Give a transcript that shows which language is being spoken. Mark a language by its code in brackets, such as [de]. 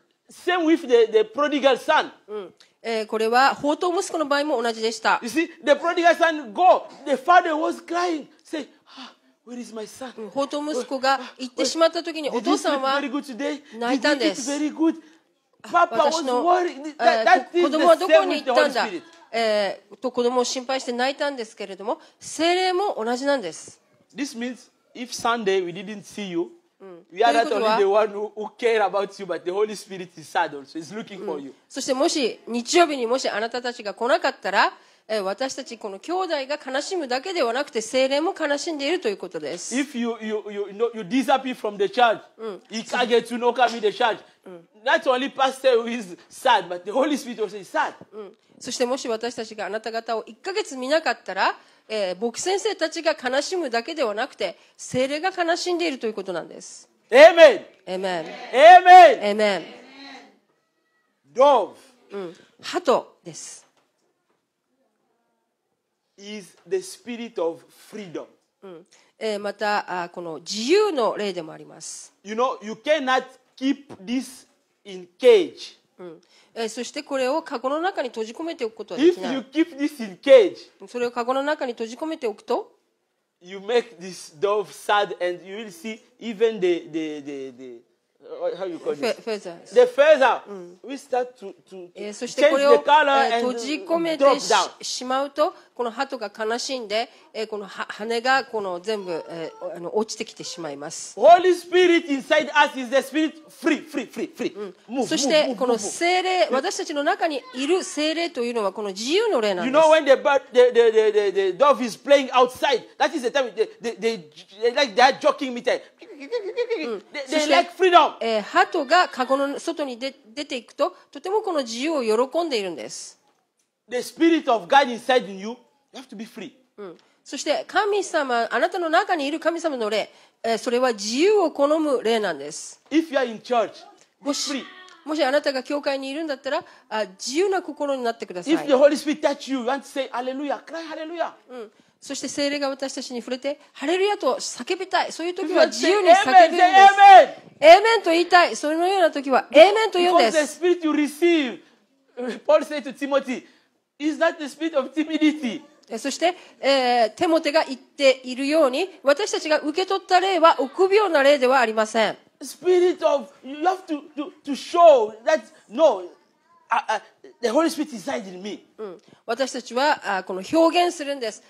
[en] Same with the prodigal son. [ja] これは放蕩息子の場合も同じでした。 [en] You see, the prodigal son go. The father was crying. Say, where is my son? [ja] 放蕩息子が行ってしまった時にお父さんは泣いたんです。 [en] Did he sleep very good? Papa was worried. That is the same with the Holy Spirit. [ja] と子供を心配して泣いたんですけれども、聖霊も同じなんです。 [en] This means if Sunday we didn't see you,We are not only the one who care about you, but the Holy Spirit is sad also. He's looking for you. [ja] そしてもし日曜日にもしあなたたちが来なかったら、私たちこの兄弟が悲しむだけではなくて聖霊も悲しんでいるということです。 [en] If you disappear from the church, Ikage to no kami the church, not only pastor who is sad, but the Holy Spirit also is sad. [ja] そしてもし私たちがあなた方を1ヶ月見なかったら、牧師先生たちが悲しむだけではなくて聖霊が悲しんでいるということなんです。エーメン。エーメン。エーメン。エーメン。 [en] ドーブ。 [ja] 鳩です。 [en] Is the spirit of freedom. [ja] またこの自由の霊でもあります。 [en] You know, you cannot keep this in cage. [ja] そしてこれをカゴの中に閉じ込めておくことはできない。 [en] If you keep this in cage, [ja] それをカゴの中に閉じ込めておくと、 [en] you make this dove sad and you will see even the how you call it? Feathers. The feather. We start to [ja] そしてこれを閉じ込めてしまうと、この鳩が悲しんで、この羽がこの全部落ちてきてしまいます。 [en] Holy Spirit inside us is the Spirit free. [ja] そしてこの聖霊、私たちの中にいる聖霊というのはこの自由の霊なんです。 [en] You know when the dove is playing outside, that is the time they are joking みたい。 They like freedom. [ja] 鳩が籠の外に出ていくと、とてもこの自由を喜んでいるんです。 [en] The spirit of God inside you, you have to be free. [ja] そして神様、あなたの中にいる神様の霊、それは自由を好む霊なんです。 [en] If you are in church, be free. [ja] もしあなたが教会にいるんだったら、自由な心になってください。 [en] If the Holy Spirit touch you, you want to say hallelujah, cry hallelujah. [ja] そして聖霊が私たちに触れて、ハレルヤと叫びたい。そういう時は自由に叫ぶんです。 [en] Say amen. [ja] エーメンと言いたい。そのような時はエーメンと言うんです。 [en] Because the spirit you receive, Paul said to Timothy. Is that the spirit of timidity? [ja] そして、テモテが言っているように、私たちが受け取った霊は臆病な霊ではありません。 [en] Spirit of, you have to show that, no, the Holy Spirit is inside me. [ja] 私たちはこの表現するんです。